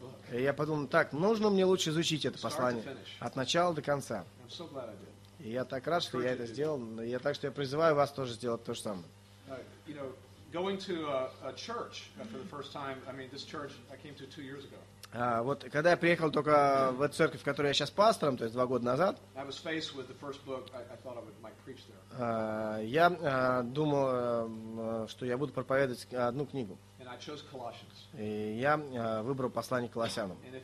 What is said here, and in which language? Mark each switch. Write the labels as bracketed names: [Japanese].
[Russian] И я подумал, так, нужно мне лучше изучить это послание от начала до конца. И я так рад, что я это сделал. Так что я призываю вас тоже сделать то же самое. [English] Going to a church for the first time. I mean, this church I came to 2 years ago. [Russian] Вот когда я приехал только в эту церковь, в которой я сейчас пастором, то есть 2 года назад, я думал, что я буду проповедовать одну книгу. [English] And I chose Colossians. [Russian] И я выбрал послание Колоссянам.